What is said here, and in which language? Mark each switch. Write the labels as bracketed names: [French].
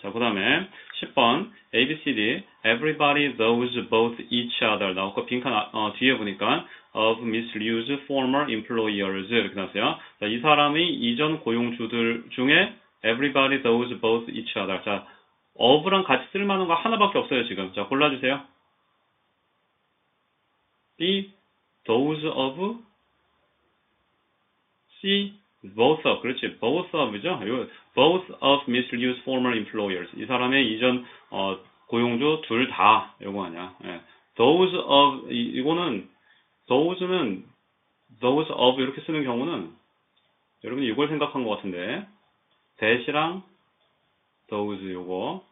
[Korean] 자, 그 다음에 [English] 10번, ABCD, everybody knows both each other. [Korean] 나 아까 빈칸 뒤에 보니까 [English] of Miss Liu's former employers [Korean] 이렇게 나왔어요. 자, 이 사람의 이전 고용주들 중에 [English] everybody knows both each other. [Korean] 자, of랑 같이 쓸만한 거 하나밖에 없어요, 지금. 자, 골라주세요. [English] B, those of, C, both of, [Korean] 그렇지, [English] both of죠? Both of Mr. Liu's former employers. [Korean] 이 사람의 이전, 고용주 둘 다. 요거 아니야. 예. Those of, 이거는, those는, those of 이렇게 쓰는 경우는, 여러분이 이걸 생각한 것 같은데, that이랑 those 요거.